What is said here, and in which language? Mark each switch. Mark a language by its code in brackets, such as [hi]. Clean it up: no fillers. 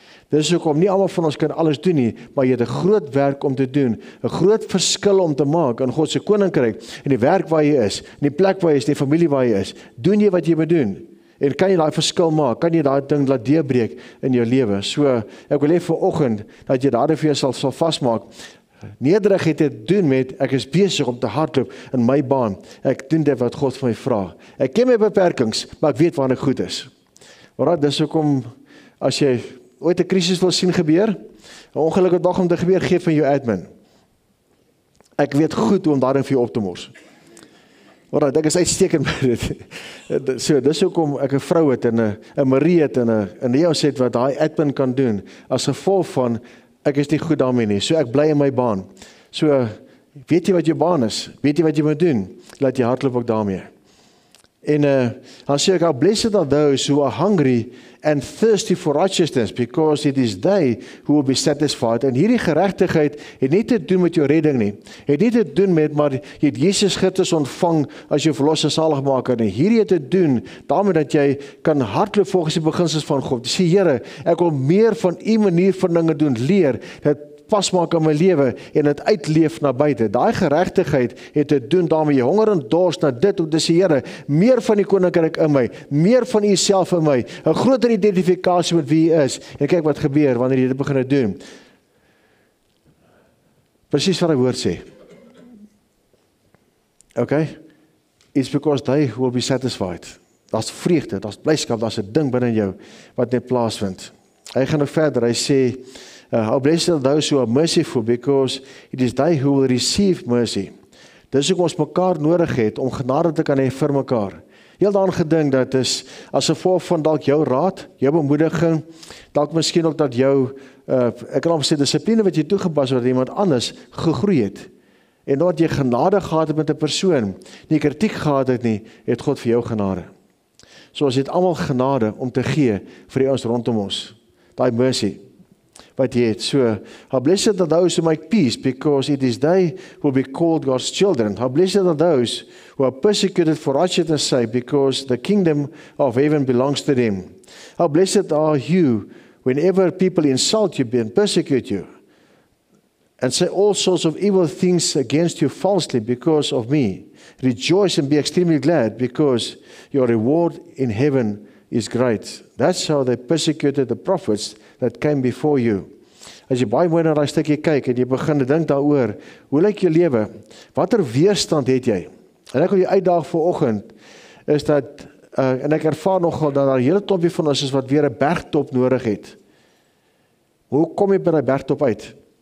[af] Dit is hoekom nie almal van ons kan alles doen nie, maar jy het 'n groot werk om te doen, 'n groot verskil om te maak in God se koninkryk, in die werk waar jy is, in die plek waar jy is, die familie waar jy is. Doen jy wat jy moet doen? En kan jy daai verskil maak? Kan jy daai ding laat deurbreek in jou lewe? So, ek wil hê vanoggend dat jy daardie vir jouself sal vasmaak. Nederigheid het te doen met, ek is besig om te hardloop in my baan. Ek doen dit wat God van my vra. Ek ken my beperkings, maar ek weet waar ek goed is. Alright, dis hoekom, as jy ooit 'n krisis wil sien gebeur, 'n ongeluk wat wag om te gebeur, gee van jou admin. Ek weet goed hoe om daarin vir jou op te mors. Alright, ek is uitstekend met dit. So, dis hoekom ek 'n vrou het en 'n Marie het en 'n Neos het wat daai admin kan doen as gevolg van ek is nie goed daarmee nie, so ek bly in my baan. So, weet jy wat jou baan is? Weet jy wat jy moet doen? Laat jy hardloop ook daarmee. En dan sê ek, [en] how blessed are those who are hungry and thirsty for righteousness, because it is they who will be satisfied. [af] En hierdie geregtigheid het nie te doen met jou redding nie. Het nie te doen met, maar jy het Jesus Christus ontvang as jou verlosser saligmaker. En hierdie het te doen daarmee dat jy kan hardloop volgens die beginsels van God. Sê, Here, ek wil meer van u manier van dinge doen leer, dat pas maak in my lewe en het uitleef na buite. Daai geregtigheid het te doen daarmee jy honger en dors na dit om te sê, Here, meer van die koninkryk in my, meer van u self in my, 'n groter identifikasie met wie u is. En kyk wat gebeur wanneer jy dit begin doen. Presies wat hy woord sê. [en] OK? It's because they will be satisfied. [af] Daar's vreugde, daar's blydskap, daar's 'n ding binne jou wat net plaasvind. Hy gaan nog verder, hy sê, [en] how blessed are those who are merciful, because it is they who will receive mercy. [af] Dis hoe ons mekaar nodig het om genade te kan hê vir mekaar. Heel daan gedink dat is as 'n vorm van dalk jou raad, jou bemoediging, dalk miskien ook dat jou, ek kan al sê, dissipline wat jy toegepas wat iemand anders gegroei het. En omdat jy genade gehad het met 'n persoon, nie kritiek gehad het nie, het God vir jou genade. So ons het allemaal genade om te gee vir die ons rondom ons. Die mercy wat jy het. So, [en] how blessed are those who make peace, because it is they who will be called God's children. How blessed are those who are persecuted for righteousness' sake, because the kingdom of heaven belongs to them. How blessed are you whenever people insult you and persecute you and say all sorts of evil things against you falsely because of me. Rejoice and be extremely glad, because your reward in heaven is great. That's how they persecuted the prophets that came before you. [af] As jy baie mooi na daai stukkie kyk en jy begin dink daaroor, hoe lyk jou lewe? Watter weerstand het jy? En ek wil jou uitdaag vir oggend is dat en ek ervaar nogal dat daar 'n hele topie van ons is wat weer 'n bergtop nodig het. Hoe kom jy by daai bergtop uit?